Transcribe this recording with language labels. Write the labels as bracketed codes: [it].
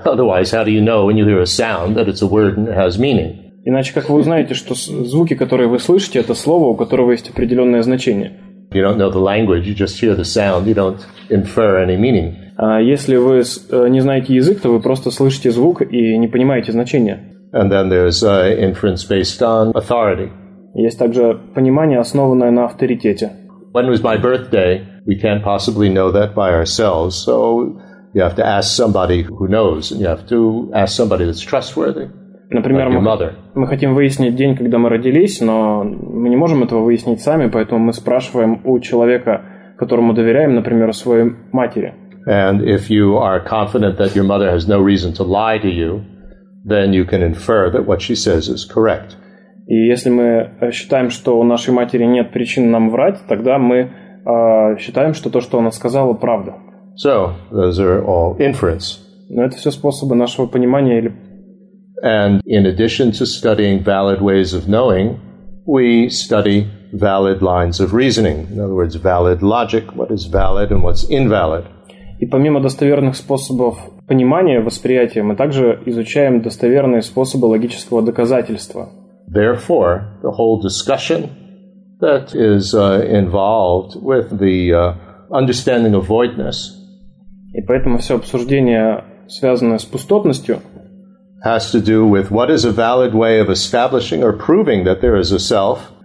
[en] Otherwise, how do you know when you hear a sound that it's a word and it has meaning? [ru] Иначе как вы узнаете, что звуки, которые вы слышите, это слово, у которого есть определенное значение? [en] You don't know the language, you just hear the sound, you don't infer any meaning. [ru] Если вы не знаете язык, то вы просто слышите звук и не понимаете значения. [en] And then there's inference based on authority. [ru] Есть также понимание, основанное на авторитете. [en] When was my birthday? We can't possibly know that by ourselves, so you have to ask somebody who knows, and you have to ask somebody that's trustworthy. [ru] Например, [en] like your mother. [ru] Мы хотим выяснить день, когда мы родились, но мы не можем этого выяснить сами, поэтому мы спрашиваем у человека, которому доверяем, например, своей матери. [en] And if you are confident that your mother has no reason to lie to you, then you can infer that what she says is correct. [ru] И если мы считаем, что у нашей матери нет причин нам врать, тогда мы считаем, что то, что она сказала, правда. [en] So, those are all inference. [ru] Но это все способы нашего понимания или... [en] And in addition to studying valid ways of knowing, we study valid lines of reasoning. In other words, valid logic, what is valid and what's invalid. [ru] И помимо достоверных способов понимания, восприятия, мы также изучаем достоверные способы логического доказательства. [en] Therefore, the whole discussion that is involved with the understanding of voidness. [ru] И поэтому все обсуждение, связанное с пустотностью, [en] has to do with what is a valid way of establishing or proving that there is a self.